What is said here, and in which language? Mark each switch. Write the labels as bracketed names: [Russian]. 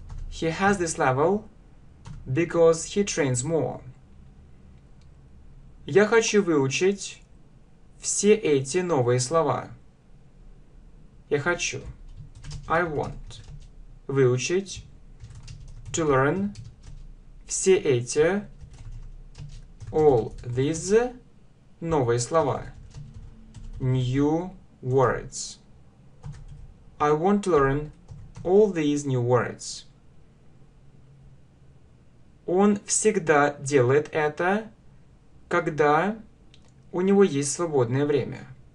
[English] He has this level because he trains more. [Russian] Я хочу выучить все эти новые слова. Я хочу. [English] I want. [Russian] Выучить. [English] To learn. [Russian] Все эти. [English] All these. [Russian] Новые слова. [English] New words. I want to learn all these new words. [Russian] Он всегда делает это, когда у него есть свободное время.